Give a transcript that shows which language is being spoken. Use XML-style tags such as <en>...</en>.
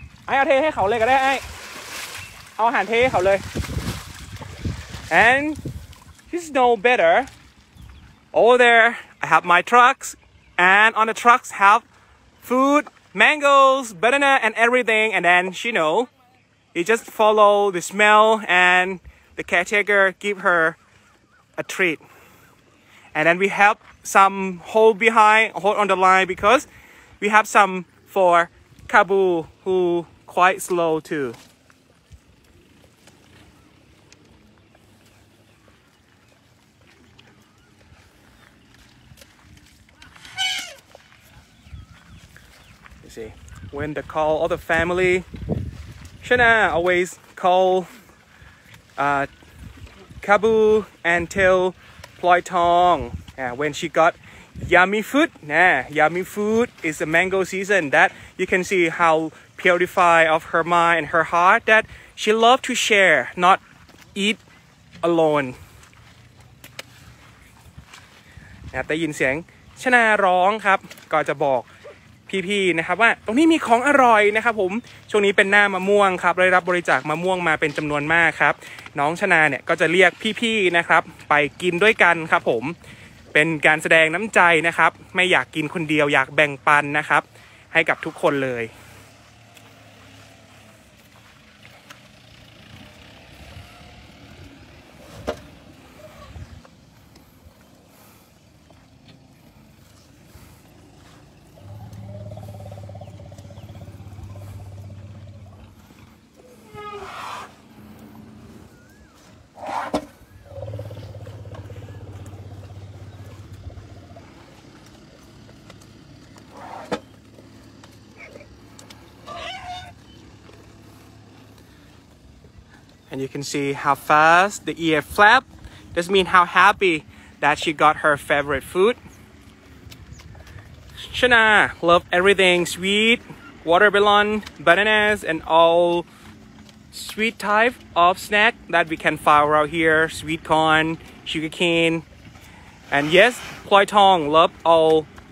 <th>ไอ้เอาเทให้เขาเลยก็ได้ไอ้เอาอาหารเทให้เขาเลย</th> <en>And this is no better. Over there, I have my trucks. And on the trucks have food, mangoes, banana, and everything. And then she know, you just follow the smell and the caretaker give her a treat. And then we have some hold behind, hold on the line because we have some for Cabu who quite slow too. You see, when the call all the family, Chana always call Cabu and tell Ploy Thong. Yeah, when she got yummy food, yeah, yummy food is the mango season. That you can see how purified of her mind and her heart that she loved to share, not eat alone.</en> <th>แต่ได้ยินเสียงชนาร้องครับก็จะบอกพี่ๆนะครับว่าตรงนี้มีของอร่อยนะครับผมช่วงนี้เป็นหน้ามะม่วงครับได้รับบริจาคมะม่วงมาเป็นจำนวนมากครับน้องชนาเนี่ยก็จะเรียกพี่ๆนะครับไปกินด้วยกันครับผม เป็นการแสดงน้ำใจนะครับไม่อยากกินคนเดียวอยากแบ่งปันนะครับให้กับทุกคนเลย</th> <en>And you can see how fast the ear flap. This means how happy that she got her favorite food. Chana love everything sweet, watermelon, bananas, and all sweet type of snack that we can find out here. Sweet corn, sugar cane. And yes, Ploy Thong love all.</en>